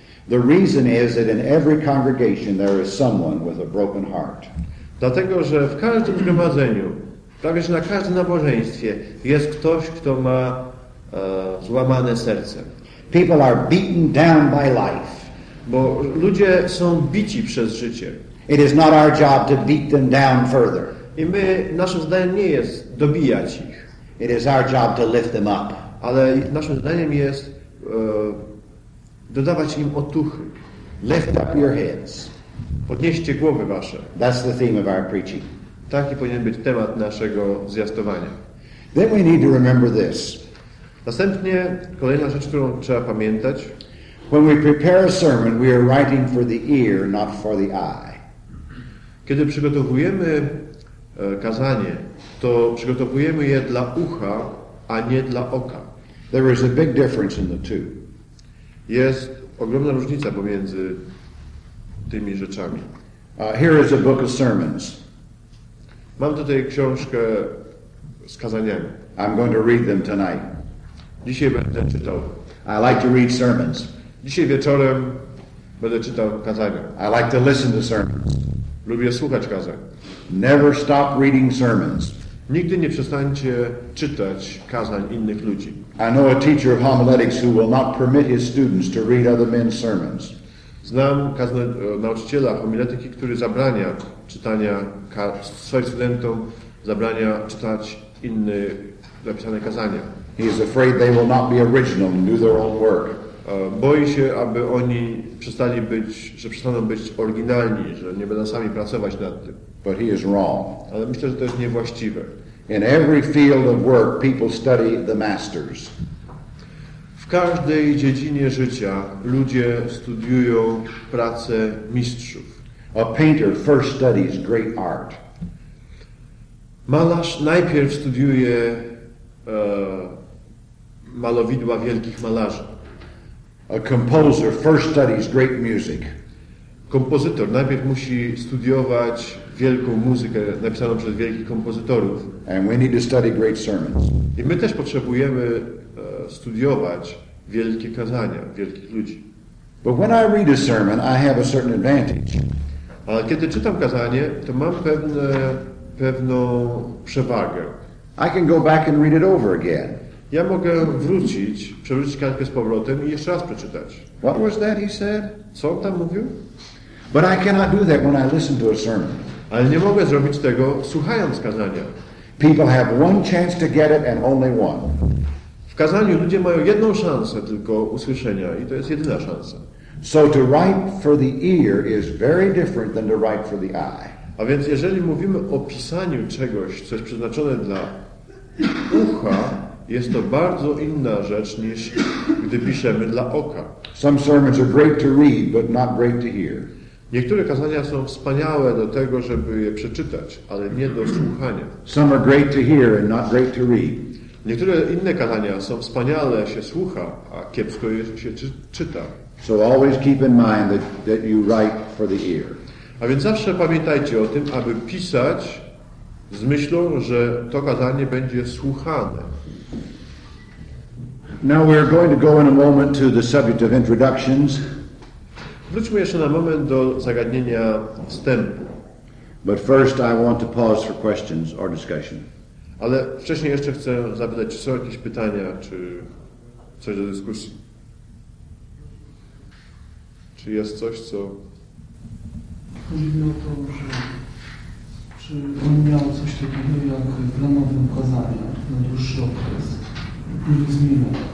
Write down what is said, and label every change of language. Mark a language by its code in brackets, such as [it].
[en] The reason is that in every congregation there is someone with a broken heart. [pl] Dlatego, że w każdym zgromadzeniu, prawie że na każdym nabożeństwie, jest ktoś, kto ma złamane serce. [en] People are beaten down by life. [pl] Bo ludzie są bici przez życie. [en] It is not our job to beat them down further. [pl] I my, naszym zadaniem nie jest dobijać ich. [en] It is our job to lift them up. [pl] Ale naszym zadaniem jest dodawać im otuchy. [en] Lift up your heads. [pl] Podnieście głowy wasze. [en] That's the theme of our preaching. [pl] Taki powinien być temat naszego zwiastowania. [en] Then we need to remember this. [pl] Następnie kolejna rzecz, którą trzeba pamiętać. [en] When we prepare a sermon, we are writing for the ear, not for the eye. [pl] Kiedy przygotowujemy kazanie, to przygotowujemy je dla ucha, a nie dla oka. [en] There is a big difference in the two. [pl] Jest ogromna różnica pomiędzy tymi rzeczami. [en] Here is a book of sermons. [pl] Mam tutaj książkę z kazaniami. [en] I'm going to read them tonight. [pl] Dzisiaj będę czytał. [en] I like to read sermons. [pl] Dzisiaj wieczorem będę czytał kazania. [en] I like to listen to sermons. [pl] Lubię słuchać kazań. [en] Never stop reading sermons. [pl] Nigdy nie przestańcie czytać kazań innych ludzi. [en] I know a teacher of homiletics who will not permit his students to read other men's sermons. [pl] Znam nauczyciela homiletyki, który zabrania czytania swoim studentom, zabrania czytać inne zapisane kazania. [en] He is afraid they will not be original and do their own work. [pl] Boi się, aby oni przestali być, że przestaną być oryginalni, że nie będą sami pracować nad tym. [en] But he is wrong. [pl] Ale myślę, że to jest niewłaściwe. [en] In every field of work, people study the masters. [pl] W każdej dziedzinie życia ludzie studiują pracę mistrzów. [en] A painter first studies great art. [pl] Malarz najpierw studiuje malowidła wielkich malarzy. [en] A composer first studies great music. [pl] Kompozytor najpierw musi studiować wielką muzykę napisaną przez wielkich kompozytorów. [en] And we need to study great sermons. [pl] I my też potrzebujemy studiować wielkie kazania wielkich ludzi. [en] But when I read a sermon, I have a certain advantage. [pl] Ale kiedy czytam kazanie, to mam pewną przewagę. [en] I can go back and read it over again. [pl] Ja mogę wrócić, przewrócić kartkę z powrotem i jeszcze raz przeczytać. [en] What was that he said? [pl] Co on tam mówił? [en] But I cannot do that when I listen to a sermon. [pl] Ale nie mogę zrobić tego słuchając kazania. [en] People have one chance to get it and only one. [pl] W kazaniu ludzie mają jedną szansę tylko usłyszenia i to jest jedyna szansa. [en] So to write for the ear is very different than to write for the eye. [pl] A więc jeżeli mówimy o pisaniu czegoś, co jest przeznaczone dla ucha, jest to bardzo inna rzecz niż gdy piszemy dla oka. [en] Some sermons are great to read, but not great to hear. [pl] Niektóre kazania są wspaniałe do tego, żeby je przeczytać, ale nie do słuchania. [en] Some are great to hear and not great to read. [pl] Niektóre inne kazania są wspaniałe, się słucha, a kiepsko je się czyta. [en] So always keep in mind that you write for the ear. [pl] A więc zawsze pamiętajcie o tym, aby pisać z myślą, że to kazanie będzie słuchane. [en] Now we are going to go in a moment to the subject of introductions. [pl] Wróćmy jeszcze na moment do zagadnienia wstępu. [en] But first I want to pause for questions or discussion. [pl] Ale wcześniej jeszcze chcę zapytać, czy są jakieś pytania, czy coś do dyskusji? Czy jest coś, co... Chodzi mi o to, że czy on miał coś takiego jak planowe kazania na dłuższy okres, który zmienił?